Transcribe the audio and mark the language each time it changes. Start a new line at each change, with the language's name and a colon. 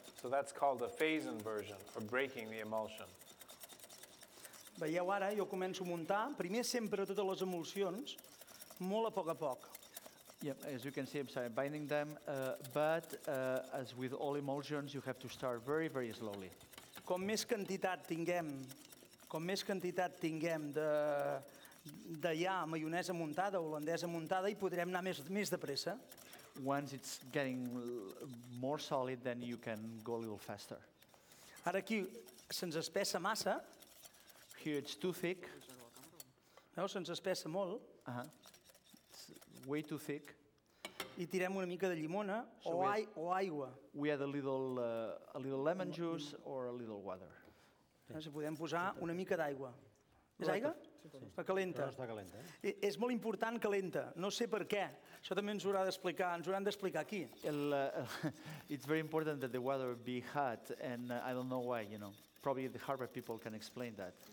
English: So that's called a phase inversion or breaking the emulsion.
Catalan: Veieu ara, jo començo a muntar. Primer sempre totes les emulsions, molt a poc.
English: Yeah, as you can see, I'm sorry, binding them, but as with all emulsions, you have to start very, very slowly.
Catalan: Com més quantitat tinguem, de ja maionesa muntada, holandesa muntada, i podrem anar més de pressa.
English: Once it's getting more solid, then you can go a little faster.
Catalan: Ara aquí se'ns espessa massa.
English: Here it's too thick.
Catalan: Veus, se'ns espessa molt.
English: Uh-huh. Way too thick.
Catalan: I tirem una mica de llimona o aigua.
English: We add a little lemon juice or a little water.
Catalan: Si podem posar una mica d'aigua. És aigua? Està calenta. Està calenta. És molt important calenta. No sé per què. Això també ens haurà d'explicar. Ens hauran d'explicar aquí.
English: It's very important that the water be hot, and I don't know why. You know, probably the Harvard people can explain that.